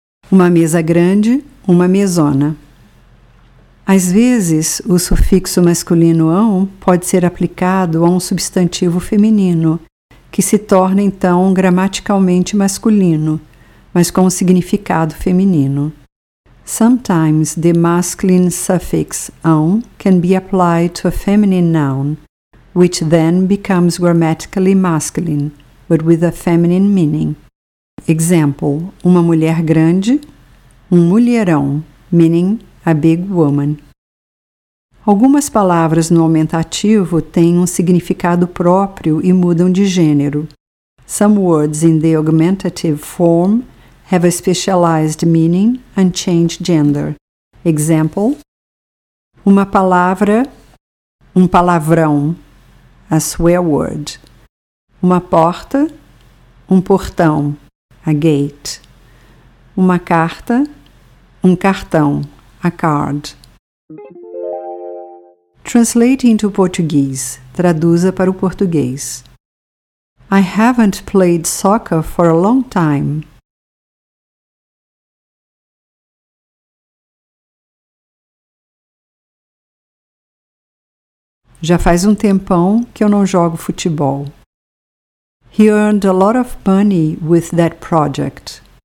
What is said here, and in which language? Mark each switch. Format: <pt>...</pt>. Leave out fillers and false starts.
<pt>Uma mesa grande, uma mesona. Às vezes, o sufixo masculino "-ão" pode ser aplicado a um substantivo feminino, que se torna, então, gramaticalmente masculino, mas com um significado feminino.</pt> <en>Sometimes the masculine suffix "-ão" can be applied to a feminine noun, which then becomes grammatically masculine, but with a feminine meaning. Example:</en> <pt>uma mulher grande, um mulherão,</pt> <en>meaning a big woman.</en> <pt>Algumas palavras no aumentativo têm um significado próprio e mudam de gênero.</pt> <en>Some words in the augmentative form have a specialized meaning and change gender. Example:</en> <pt>uma palavra, um palavrão,</pt> <en>a swear word.</en> <pt>Uma porta, um portão,</pt> <en>a gate.</en> <pt>Uma carta, um cartão,</pt> <en>a card. Translate into Português.</en> <pt>Traduza para o português.</pt> <en>I haven't played soccer for a long time.</en> <pt>Já faz um tempão que eu não jogo futebol.</pt> <en>He earned a lot of money with that project.</en>